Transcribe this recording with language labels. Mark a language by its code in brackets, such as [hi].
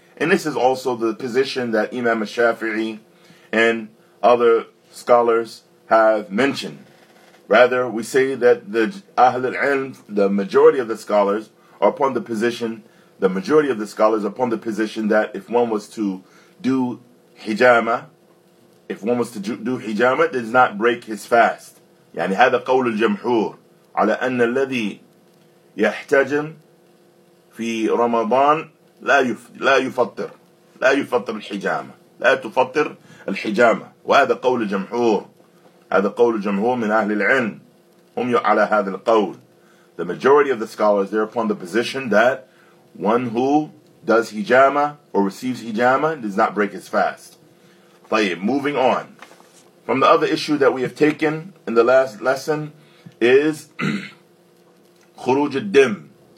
[en] And this is also the position that Imam al-Shafi'i and other scholars have mentioned. Rather, we say that the Ahl al-Ilm, the majority of the scholars are upon the position that if one was to do hijama, if one was to do hijama, it does not break his fast. [ar] يعني هذا قول الجمهور على أن الذي يحتجم في رمضان لا يفطر الحجامة لا تفطر الحجامة وهذا قول الجمهور هذا قول الجمهور من أهل العلم هم على هذا القول. [en] The majority of the scholars, they're upon the position that one who does hijama or receives hijama does not break his fast. [ar] طيب, [en] moving on. From the other issue that we have taken in the last lesson is khuruj ad-dim.